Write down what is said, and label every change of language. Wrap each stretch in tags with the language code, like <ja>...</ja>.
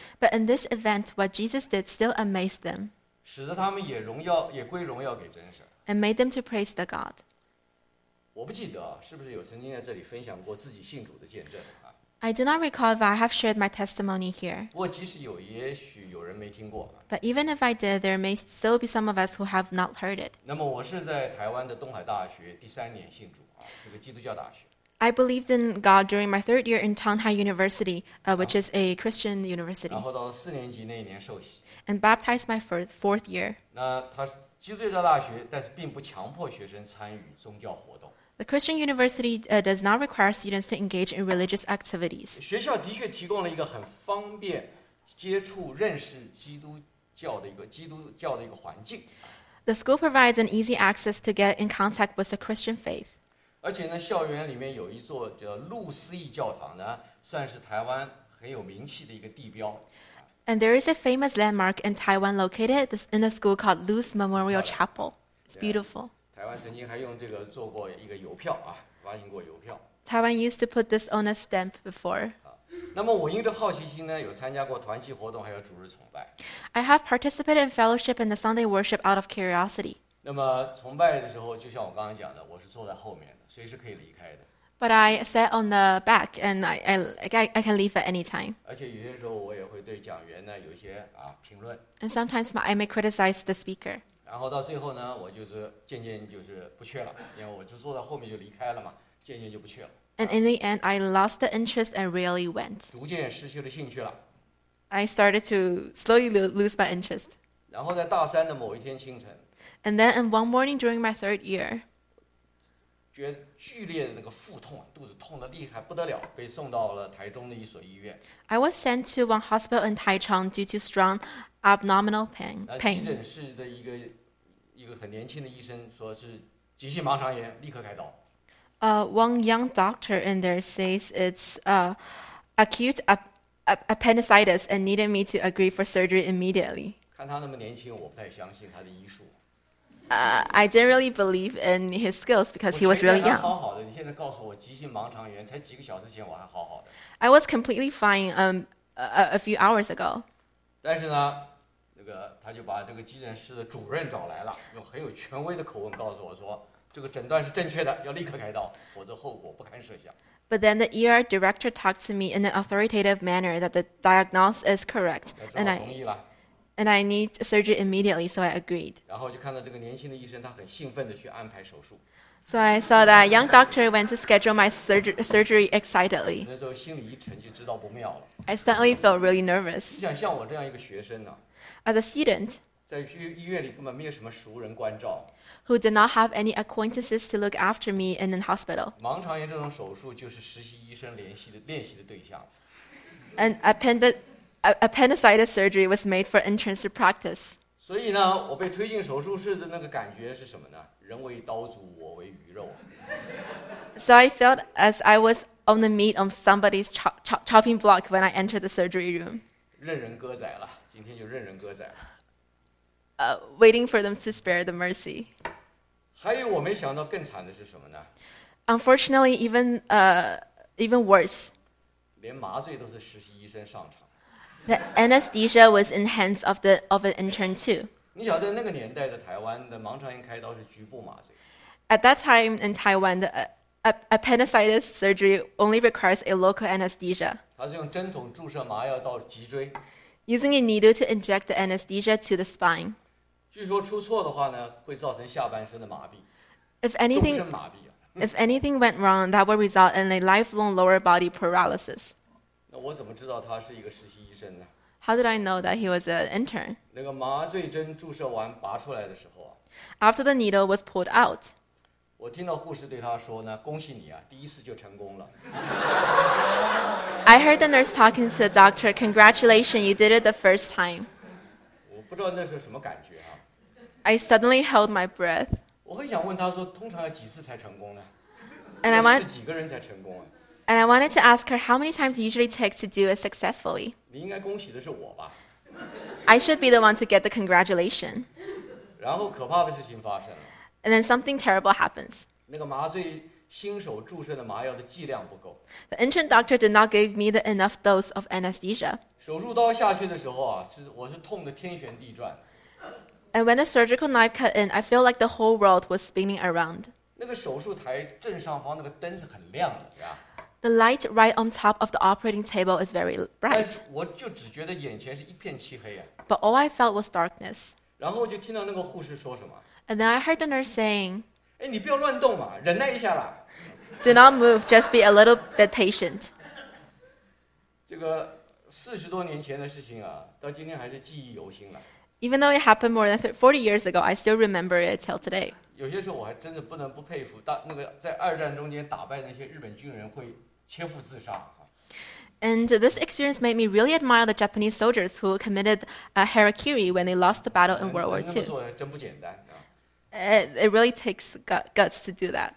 <en>But in this event, what Jesus did still amazed them.</en> <zh>使得他们也归荣耀给真神。</zh> <en>And made them to praise the God.</en> <zh>我不记得是不是有曾经在这里分享过自己信主的见证啊。</zh> <en>I do not recall if I have shared my testimony here.</en> <zh>不过即使有，也许有人没听过。</zh> <en>But even if I did, there may still be some of us who have not heard it.</en> <zh>那么我是在台湾的东海大学第三年信主，是个基督教大学。</zh> <en>I believed in God during my third year in Tonghai University, which is a Christian university.</en> <zh>然后到四年级那一年受洗。</zh> <en>And baptized my fourth year.</en> <zh>那它是基督教大学，但是并不强迫学生参与宗教活动。</zh> <en>The Christian University does not require students to engage in religious activities.</en> <zh>学校的确提供了一个很方便接触认识基督教的一个环境。</zh> <en>The school provides an easy access to get in contact with the Christian faith.</en> <zh>而且呢，校园里面有一座叫路思义教堂呢，算是台湾很有名气的一个地标。</zh> <en>And there is a famous landmark in Taiwan located in a school called Luce Memorial Chapel. It's beautiful.</en> <zh>台湾曾经还用这个做过一个邮票啊，发行过邮票。</zh> <en>Taiwan used to put this on a stamp before.</en> <zh>那么我因着好奇心呢，有参加过团契活动，还有主日崇拜。</zh> <en>I have participated in fellowship and the Sunday worship out of curiosity.</en> <zh>那么崇拜的时候，就像我刚刚讲的，我是坐在后面的，随时可以离开的。</zh> <en>But I sat on the back, and I can leave at any time.</en> <zh>而且有些时候我也会对讲员呢有一些啊评论。</zh> <en>And sometimes I may criticize the speaker.</en> <zh>然后到最后呢，我就是渐渐就是不去了，因为我就坐在后面就离开了嘛，渐渐就不去了。</zh> <en>And in the end, I lost the interest and rarely went.</en> <zh>逐渐失去了兴趣了。</zh> <en>I started to slowly lose my interest.</en> <zh>然后在大三的某一天清晨。</zh> <en>And then in one morning during my third year.</en> <zh>觉得剧烈的那个腹痛，肚子痛得厉害不得了，被送到了台中的一所医院。</zh> <en>I was sent to one hospital in Taichung due to strong abdominal pain.</en> <zh>那急诊室的一个很年轻的医生说是急性盲肠炎，立刻开刀。</zh> <en>One young doctor in there says it's acute appendicitis and needed me to agree for surgery immediately.</en> <zh>看他那么年轻，我不太相信他的医术。</zh> <en>I didn't really believe in his skills because he was really young.</en> <zh>好好的，你现在告诉我急性盲肠炎，才几个小时前我还好好的。</zh> <en>I was completely fine a few hours ago.</en> <zh>但是呢，那个他就把这个急诊室的主任找来了，用很有权威的口吻告诉我说，这个诊断是正确的，要立刻开刀，否则后果不堪设想。</zh> <en>But then the ER director talked to me in an authoritative manner that the diagnosis is correct, and I need surgery immediately, so I agreed.</en> <zh>然后就看到这个年轻的医生，他很兴奋地去安排手术。</zh> <en>So I saw that young doctor went to schedule my surgery excitedly.</en> <zh>那时候心里一沉，就知道不妙了。</zh> <en>I suddenly felt really nervous.</en> <zh>你想像我这样一个学生呢</zh> <en>？As a student,</en> <zh>在医院里根本没有什么熟人关照。</zh> <en>Who did not have any acquaintances to look after me in the hospital?</en> <zh>盲肠炎这种手术就是实习医生练习的对象。</zh> <en>And appendicitis surgery was made for interns to practice.</en> <zh>所以呢，我被推进手术室的那个感觉是什么呢？人为刀俎，我为鱼肉。</zh> <en>So I felt as I was on the meat of somebody's chopping block when I entered the surgery room.</en> <zh>任人割宰了，今天就任人割宰了。</zh> <en>Waiting for them to spare the mercy.</en> <zh>还有我没想到更惨的是什么呢</zh> <en>？Unfortunately, even worse.</en> <zh>连麻醉都是实习医生上场。</zh> <en>The anesthesia was in the hands of an intern too.</en> <zh>你晓得那个年代的台湾的盲肠炎开刀是局部麻醉。</zh> <en>At that time in Taiwan, the appendicitis surgery only requires a local anesthesia.</en> <zh>它是用针筒注射麻药到脊椎。</zh> <en>Using a needle to inject the anesthesia to the spine.</en> <zh>据说出错的话呢，会造成下半身的麻痹。</zh> <en>If anything went wrong, that would result in a lifelong lower body paralysis.</en> <zh>那我怎么知道他是一个实习？</zh> <en>How did I know that he was an intern?</en> <zh>那个麻醉针注射完拔出来的时候啊</zh> <en>，After the needle was pulled out，</en> <zh>我听到护士对他说呢，恭喜你啊，第一次就成功了。</zh> <en>I heard the nurse talking to the doctor. Congratulations, you did it the first time.</en> <zh>我不知道那是什么感觉啊。</zh> <en>I suddenly held my breath.</en> <zh>我很想问他说，通常要几次才成功呢</zh> <en>？And I want</en> <zh>是几个人才成功啊？</zh> <en>And I wanted to ask her how many times it usually takes to do it successfully.</en> <zh>你应该恭喜的是我吧</zh> <en>？I should be the one to get the congratulation.</en> <zh>然后可怕的事情发生了。</zh> <en>And then something terrible happens.</en> <zh>那个麻醉新手注射的麻药的剂量不够。</zh> <en>The intern doctor did not give me the enough dose of anesthesia.</en> <zh>手术刀下去的时候啊，我是痛得天旋地转。</zh> <en>And when the surgical knife cut in, I feel like the whole world was spinning around.</en> <zh>那个手术台正上方那个灯是很亮的呀。</zh> <en>The light right on top of the operating table is very bright.</en> <zh>我就只觉得眼前是一片漆黑啊。</zh> <en>But all I felt was darkness.</en> <zh>然后我就听到那个护士说什么。</zh> <en>And then I heard the nurse saying,</en> <zh>哎，你不要乱动嘛，忍耐一下啦。</zh> <en>Do not move, just be a little bit patient.</en> <zh>这个四十多年前的事情啊，到今天还是记忆犹新了。</zh> <en>Even though it happened more than 40 years ago, I still remember it till today.</en> <zh>有些时候我还真的不能不佩服，那个在二战中间打败那些日本军人会切腹自杀。</zh> <en>And this experience made me really admire the Japanese soldiers who committed harakiri when they lost the battle in World War II.</en> <zh>那么做真不简单。</zh> <en>It really takes guts to do that.</en>